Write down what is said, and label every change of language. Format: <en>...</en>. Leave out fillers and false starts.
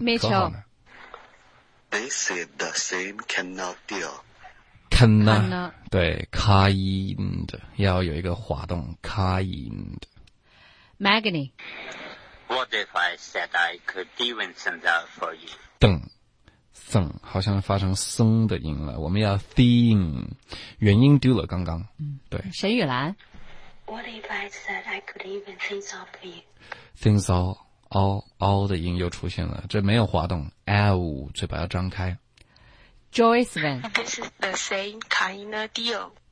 <zh>Mitchell。</zh> <en>They said the same cannot deal.</en> <zh>Kind, 对 ，kind 要有一个滑动 ，kind。 Magni,</zh> <en>what if I said I could even send out for you?</en> <zh>等，等，好像发成僧的音了。我们要 thing， 元音丢了刚刚。嗯，对。沈雨兰</zh> <en>，what if I said I could even things out for you?</en> <zh>Things out, out, out 的音又出现了，这没有滑动 ，l 嘴巴要张开。 Joyce Van.</zh> <en>This is the same kind of deal.</en>